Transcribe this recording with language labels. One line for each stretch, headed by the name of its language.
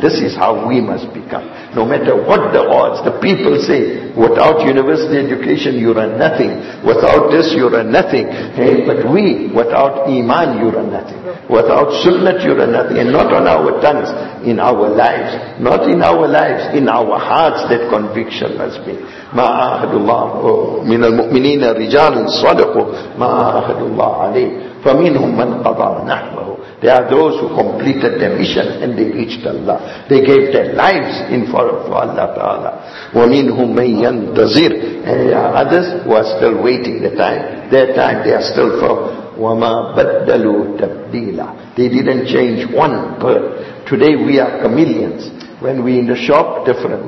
English: This is how we must become. No matter what the odds, the people say, without university education, you are nothing. Without this, you are nothing. Hey, but we, without iman, you are nothing. Without sunnah, you are nothing. And not on our tongues, in our lives. Not in our lives, in our hearts, that conviction must be.
Arabic: مَا أَحَدُ اللَّهُ مِنَ الْمُؤْمِنِينَ رِجَالٌ صَدَقُوا مَا أَحَدُ اللَّهُ عَلَيْهِ فَمِنْهُمْ مَنْ قَضَى نَحْوَهُ
English: They are those who completed their mission and they reached Allah. They gave their lives in for Allah Ta'ala.
Arabic: وَمِنْهُمْ مَنْ يَنْتَظِرُ
English: And there are others who are still waiting the time. Their time, they are still for
Arabic: وَمَا بَدَّلُوا تَبْدِيلًا
English: They didn't change one bird. Today we are chameleons. When we in the shop, different.